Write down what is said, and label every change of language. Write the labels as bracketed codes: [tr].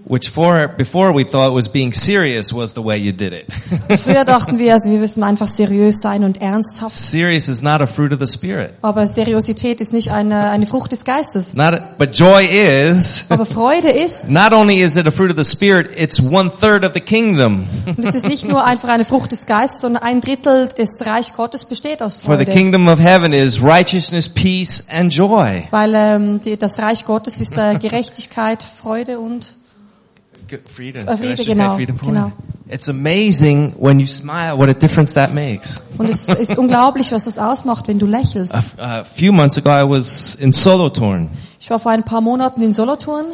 [en] Which before we thought was being serious was the way you did it. [de] Früher dachten wir, also wir müssen einfach seriös sein und ernsthaft. [en] Serious is not a fruit of the Spirit. [de] Aber Seriosität ist nicht eine Frucht des Geistes. [en] But joy is. [de] Aber Freude ist. [en] Not only is it a fruit of the Spirit, it's one third of the kingdom. [de] Es ist nicht nur einfach eine Frucht des Geistes, sondern ein Drittel des Reich Gottes besteht aus Freude. [en] For the kingdom of heaven is righteousness, peace and joy. [de] Weil das Reich Gottes ist Gerechtigkeit, Freude und Friede, genau. [en] It's amazing when you smile, what a difference that makes. [de] Und es ist unglaublich, was es ausmacht, wenn du lächelst. [en] A few months ago I was in Solothurn. [de] Ich war vor ein paar Monaten in Solothurn.